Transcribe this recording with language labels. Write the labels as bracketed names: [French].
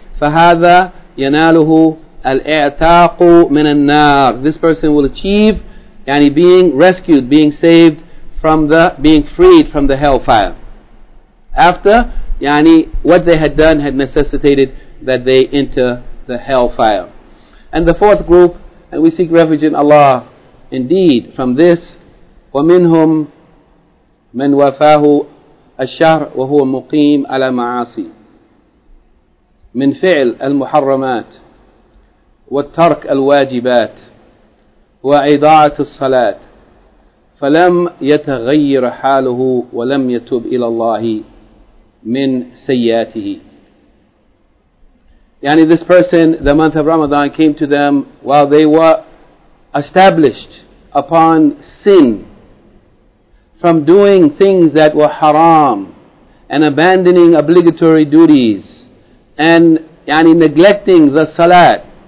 [Arabic] فَهَذَا يَنَالُهُ الْإِعْتَاقُ مِنَ النَّارِ. [English] This person will achieve yani being rescued, being saved from the, being freed from the hellfire, after yani what they had done had necessitated that they enter the hellfire. And the fourth group, and we seek refuge in Allah indeed from this, [Arabic] وَمِنْهُمْ مَنْ وَفَاهُ الشَّهْرُ وَهُوَ مُقِيمُ عَلَى مَعَاصِي مِنْ فِعْلِ الْمُحَرَّمَاتِ والترك الواجبات وإضاعة الصلاة فلم يتغير حاله ولم يتوب إلى الله من سيئاته. [English] يعني this person, the month of Ramadan came to them while they were established upon sin from doing things that were haram and abandoning obligatory duties and يعني neglecting the salat.